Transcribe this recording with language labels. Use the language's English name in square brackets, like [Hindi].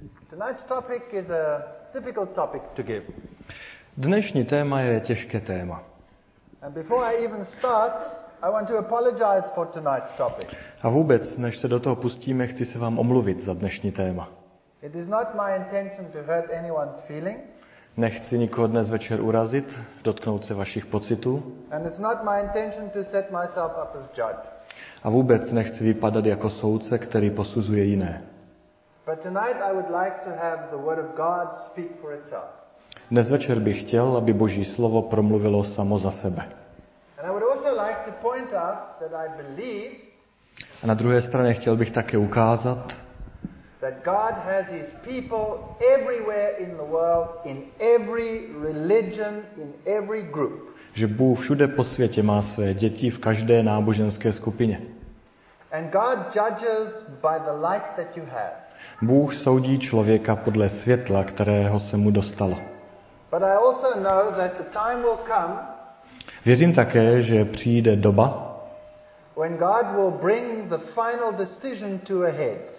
[English] Tonight's topic is a difficult topic to give. [Czech] Dnešní téma je těžké téma. [English] And before I even start, I want to apologize for tonight's topic. [Czech] A vůbec, než se do toho pustíme, chci se vám omluvit za dnešní téma. [English] It is not my intention to hurt anyone's feelings. [Czech] Nechci nikoho dnes večer urazit, dotknout se vašich pocitů. [English] And it's not my intention to set myself up as judge. [Czech] A vůbec nechci vypadat jako soudce, který posuzuje jiné. [English] But tonight I would like to have the word of God speak for itself. [Czech] Dnes večer bych chtěl, aby Boží slovo promluvilo samo za sebe. [English] And I would also like to point out that I believe. [Czech] A na druhé straně chtěl bych také ukázat, [English] that God has his people everywhere in the world, in every religion, in every group. [Czech] Že Bůh všude po světě má své děti v každé náboženské skupině. [English] And God judges by the light that you have. [Czech] Bůh soudí člověka podle světla, kterého se mu dostalo. [English] But I also know that the time will come. [Czech] Věřím také, že přijde doba. [English] When God will bring the final decision to a head.